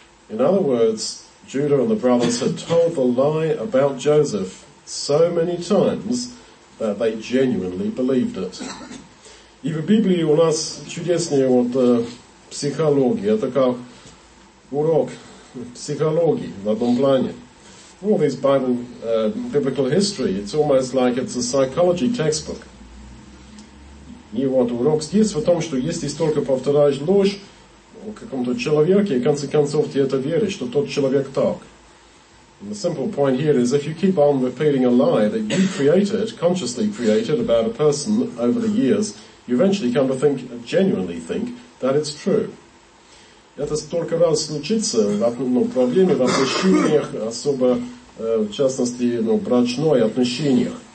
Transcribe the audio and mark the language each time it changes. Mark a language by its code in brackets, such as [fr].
[en] In other words, Judah and the brothers had told the lie about Joseph so many times that they genuinely believed it. [ru] И в Библии у нас чудесная вот психология, такой урок психологии в одном плане. [en] All this Bible, biblical history, it's almost like it's a psychology textbook. [ru] И вот урок здесь в том, что если столько повторяешь ложь о каком-то человеке, в конце концов ты это веришь, что тот человек так. [en] And the simple point here is, if you keep on repeating a lie that you created, consciously created about a person over the years, you eventually come to think, genuinely think, that it's true. [ru] Это столько раз случится, ну, проблемы в отношениях, особо, в частности, ну, брачной отношениях.